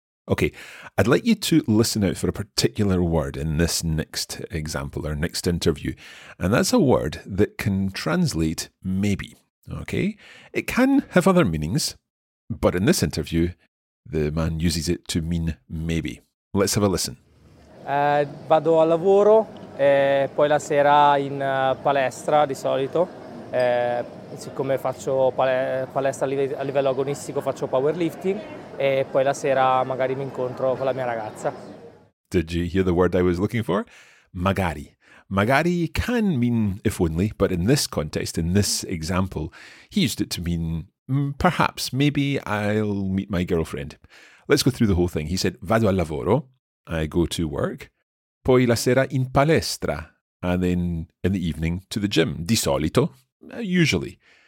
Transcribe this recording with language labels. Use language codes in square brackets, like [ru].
[en] Okay, I'd like you to listen out for a particular word in this next example or next interview, and that's a word that can translate maybe, okay? It can have other meanings, but in this interview, the man uses it to mean maybe. Let's have a listen. [it] Vado al lavoro, e poi la sera in palestra di solito. Siccome faccio palestra a livello agonistico, faccio powerlifting e poi la sera magari mi incontro con la mia ragazza. [en] Did you hear the word I was looking for? Magari. Magari can mean if only, but in this context, in this example, he used it to mean perhaps, maybe I'll meet my girlfriend. Let's go through the whole thing. He said, [it] vado al lavoro, [en] I go to work, [it] poi la sera in palestra, [en] and then in the evening to the gym, [it] di solito. [en] Usually.